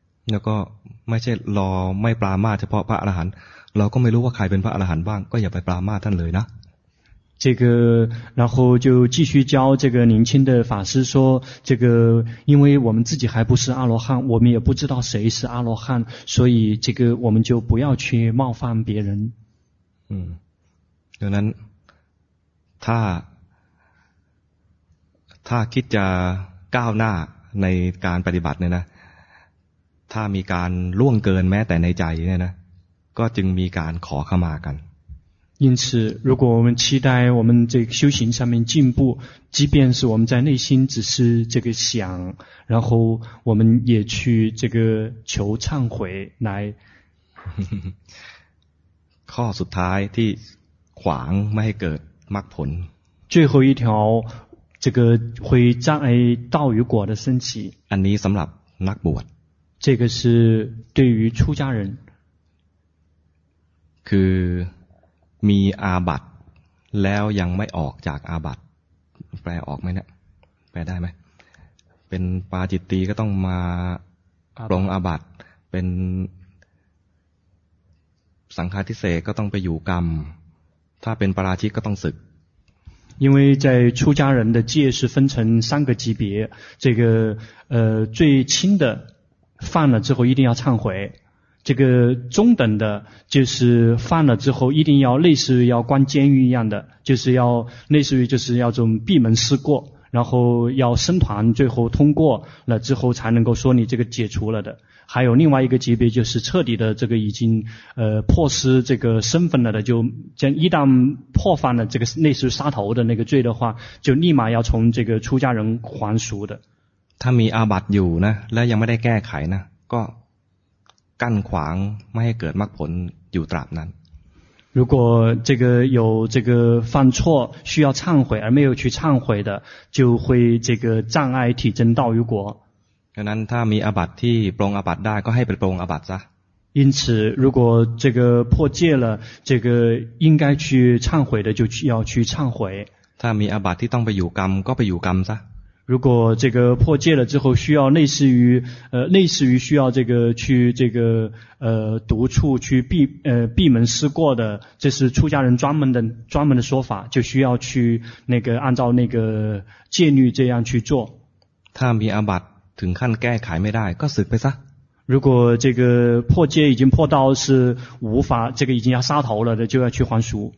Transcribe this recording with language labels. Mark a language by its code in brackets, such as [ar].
[th] แล้วก็ไม่ใช่รอไม่ปรามาสเฉพาะพระอรหันต์เราก็ไม่รู้ว่าใครเป็นพระอรหันต์บ้างก็อย่าไปปรามาสท่านเลยนะ [zh] 这个然后就继续教这个年轻的法师说这个因为我们自己还不是阿罗汉我们也不知道谁是阿罗汉所以这个我们就不要去冒犯别人 [th] 嗯ดังนั้นถ้าคิดจะก้าวหน้าในการปฏิบัติเนี่ยนะถ้ามีการล่วงเกินแม้แต่ในใจเนี่ยนะก็จึงมีการขอขมากัน [zh] 因此如果我们期待我们这个修行上面进步，即便是我们在内心只是这个想，然后我们也去这个求忏悔来 [th] ข้อสุดท้ายที่ขวางไม่ให้เกิดมรรคผล [zh] 最后一条这个会障碍道与果的升起 [th] อันนี้สำหรับนักบวช [zh] 这个是对于出家人 [th] คือมีอาบัติแล้วยังไม่ออกจากอาบัติแปลออกไหมเนี่ยแปลได้ไหมเป็นปาจิตตีก็ต้องมาปรงอาบัติเป็นสังฆาทิเศษก็ต้องไปอยู่กรรมถ้าเป็นปราชิกก็ต้องศึก [zh] 因为在出家人的戒是分成三个级别这个最轻的犯了之后一定要忏悔这个中等的就是犯了之后一定要类似于要关监狱一样的就是要类似于就是要这种闭门思过然后要僧团最后通过了之后才能够说你这个解除了的还有另外一个级别就是彻底的这个已经破失这个身份了的就将一旦破犯了这个类似杀头的那个罪的话就立马要从这个出家人还俗的他 [th] มีอาบัติอยู่นะและยังไม่ได้แก้ไขนะก็กั้นขวางไม่ให้เกิดมรรคผลอยู่ตราบนั้น [zh] 如果这个有这个犯错需要忏悔而没有去忏悔的就会这个障碍体证道与果 [th] ดังนั้นถ้ามีอาบัติที่ปรงอาบัติได้ก็ให้ไปปรงอาบัติซะ [zh] 因此如果这个破戒了这个应该去忏悔的就要去忏悔 [th] ถ้ามีอาบัติที่ต้องไปอยู่กรรมก็ไปอยู่กรรมซะ [zh] 如果这个破戒了之后需要类似于需要这个去这个独处去闭门思过的这是出家人专门的说法就需要去那个按照那个戒律这样去做 [th] ถ้ามีอาบัติถึงขั้นแก้ไขไม่ได้ก็สึกไปซะ [zh] 如果这个破戒已经破到是无法这个已经要杀头了的就要去还俗